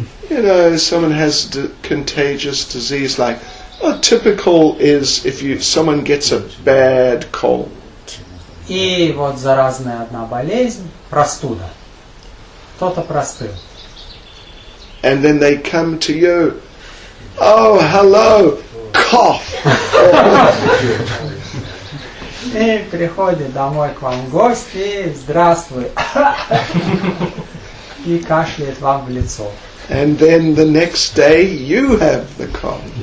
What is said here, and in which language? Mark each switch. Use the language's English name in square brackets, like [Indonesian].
[English] You know, someone has contagious disease, like, typical is if someone gets a bad cold. [Russian] И вот заразная одна болезнь, простуда. Кто-то простыл. [English] And then they come to you, oh, hello, cough. [Russian] И приходит домой к вам гость, и здравствуй. И кашляет вам в лицо. [English] And then the next day you have the cough.